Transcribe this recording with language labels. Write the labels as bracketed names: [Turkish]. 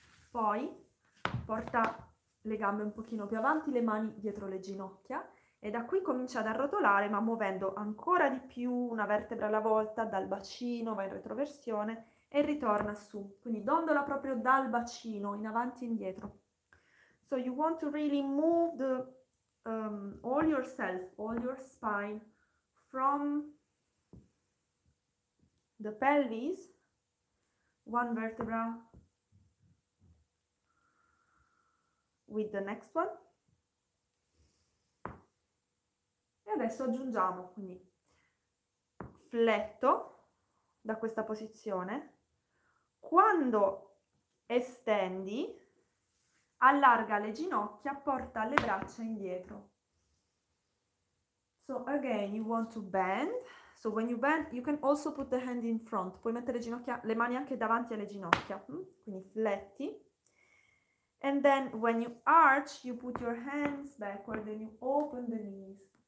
[Italian] Poi porta le gambe un pochino più avanti, le mani dietro le ginocchia e da qui comincia ad arrotolare, ma muovendo ancora di più una vertebra alla volta dal bacino, va in retroversione e ritorna su. Quindi dondola proprio dal bacino in avanti e indietro. [English] So you want to really move the all yourself, all your spine from the pelvis, one vertebra with the next one. [Italian] Adesso aggiungiamo, quindi fletto da questa posizione. Quando estendi, allarga le ginocchia, porta le braccia indietro. [English] So again, you want to bend. So when you bend, you can also put the hand in front. [Italian] Puoi mettere le mani anche davanti alle ginocchia. Quindi fletti. [English] And then when you arch, you put your hands backward and you open the knees.